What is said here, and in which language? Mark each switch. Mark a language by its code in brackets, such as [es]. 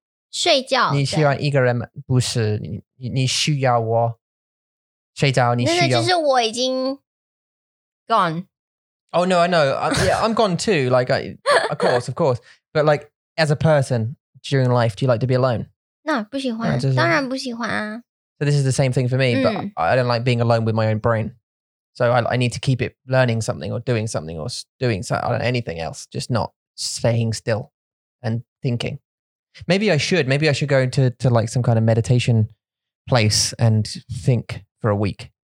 [zh] 睡觉。你喜欢一个人吗?不是,你需要我。睡觉,你需要。那就是我已经 [en] gone. Oh no, I know. I'm gone too. Like, of course. But like,As a person during life, do you like to be alone? [zh] No, 不喜欢，当然不喜欢啊。 [en] So this is the same thing for me,、嗯、but I don't like being alone with my own brain. So I need to keep it learning something or doing something or doing something, I don't know, anything else, just not staying still and thinking. Maybe I should go to like some kind of meditation place and think for a week.